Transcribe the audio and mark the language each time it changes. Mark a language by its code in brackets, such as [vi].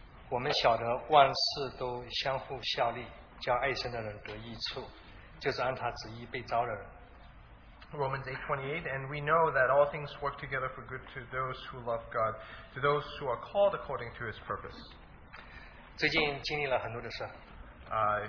[zh] 我们晓得万事都相互效力，叫爱神的人得益处，就是按他旨意被召的人。Romans [en] 8:28, and we know that all things work together for good to those who love God, to those who are called according to His purpose. [zh] 最近经历了很多的事。I